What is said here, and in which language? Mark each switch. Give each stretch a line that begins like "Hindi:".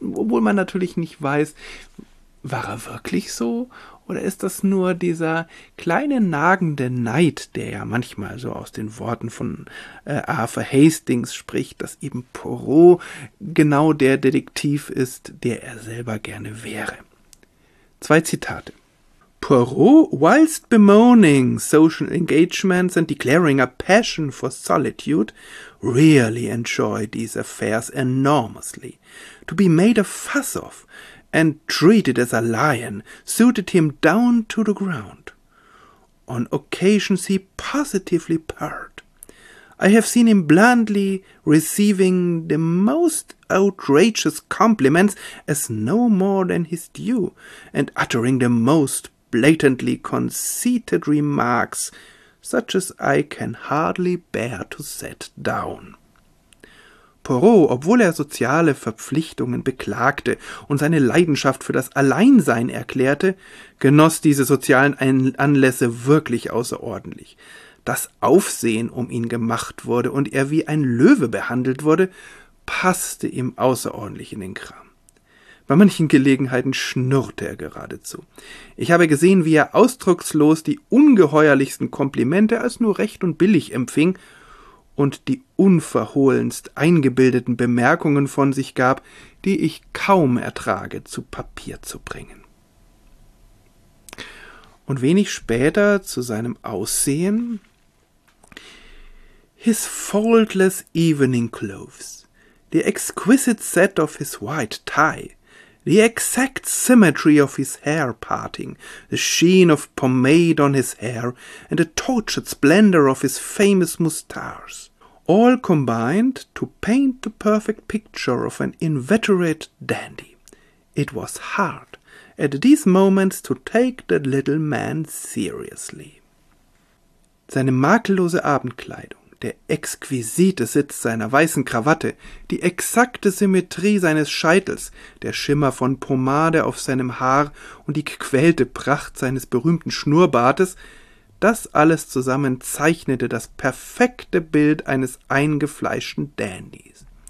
German: Obwohl man natürlich nicht weiß, war er wirklich so? Oder ist das nur dieser kleine nagende Neid, der ja manchmal so aus den Worten von Arthur Hastings spricht, dass eben Poirot genau der Detektiv ist, der er selber gerne wäre? Zwei Zitate.
English: Poirot, whilst bemoaning social engagements and declaring a passion for solitude, really enjoy these affairs enormously. To be made a fuss of and treated as a lion suited him down to the ground. On occasions he positively purred. I have seen him blandly receiving the most outrageous compliments as no more than his due, and uttering the most blatantly conceited remarks, such as I can hardly bear to set down.
German: Poirot, obwohl er soziale Verpflichtungen beklagte und seine Leidenschaft für das Alleinsein erklärte, genoss diese sozialen Anlässe wirklich außerordentlich. Das Aufsehen um ihn gemacht wurde und er wie ein Löwe behandelt wurde, passte ihm außerordentlich in den Kram. Bei manchen Gelegenheiten schnurrte er geradezu. Ich habe gesehen, wie er ausdruckslos die ungeheuerlichsten Komplimente als nur recht und billig empfing und die unverhohlenst eingebildeten Bemerkungen von sich gab, die ich kaum ertrage, zu Papier zu bringen. Und wenig später zu seinem Aussehen.
English: His faultless evening clothes, the exquisite set of his white tie, the exact symmetry of his hair parting, the sheen of pomade on his hair, and the tortured splendor of his famous moustache, all combined to paint the perfect picture of an inveterate dandy. It was hard at these moments to take the little man seriously.
German: Seine makellose Abendkleidung, der exquisite Sitz seiner weißen Krawatte, die exakte Symmetrie seines Scheitels, der Schimmer von Pomade auf seinem Haar und die gequälte Pracht seines berühmten Schnurrbartes, das alles zusammen zeichnete das perfekte Bild eines eingefleischten Dandys.